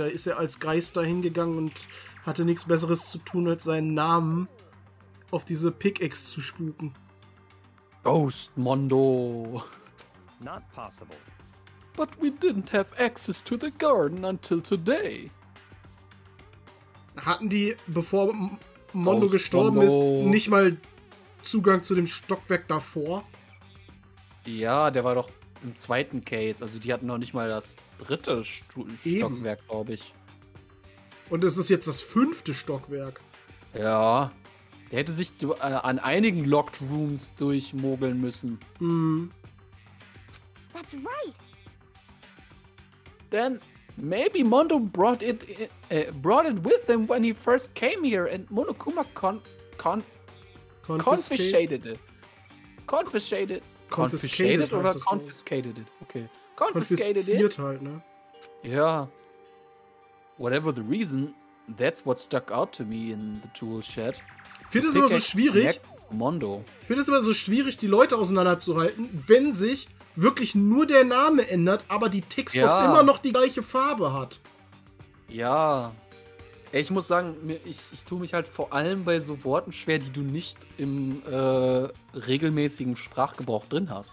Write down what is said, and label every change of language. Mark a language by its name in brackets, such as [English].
[German] Da ist er als Geist da hingegangen und hatte nichts Besseres zu tun, als seinen Namen auf diese Pickaxe zu spuken. [English] Ghost Mondo. Not possible. But we didn't have access to the garden until today. [German] Hatten die, bevor Mondo Ghost gestorben Mondo. Ist, nicht mal Zugang zu dem Stockwerk davor? Ja, der war doch im zweiten Case. Also die hatten noch nicht mal das dritte Stockwerk, glaube ich. Und es ist jetzt das fünfte Stockwerk. Ja. Der hätte sich an einigen Locked Rooms durchmogeln müssen. [English] That's right. Then maybe Mondo brought it with him when he first came here and Monokuma confiscated it. [German] Halt, ne? [English] Yeah. Whatever the reason, that's what stuck out to me in the tool shed. [German] Ich finde es immer so schwierig. Mondo. Ich finde es immer so schwierig, die Leute auseinanderzuhalten, wenn sich wirklich nur der Name ändert, aber die Textbox ja. immer noch die gleiche Farbe hat. Ja. Ich muss sagen, ich tue mich halt vor allem bei so Worten schwer, die du nicht im regelmäßigen Sprachgebrauch drin hast.